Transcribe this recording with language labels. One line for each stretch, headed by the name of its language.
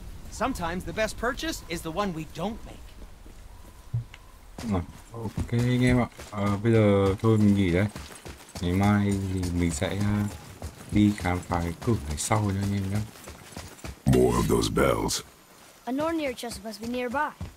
English: Sometimes the best purchase is the one we don't make.
Vietnamese: Ok anh em ạ, bây giờ thôi mình nghỉ đây. Ngày mai thì mình sẽ đi khám phá cái cửa này sau cho anh em nhé.
English: More of those bells. A Nornir chest must be nearby.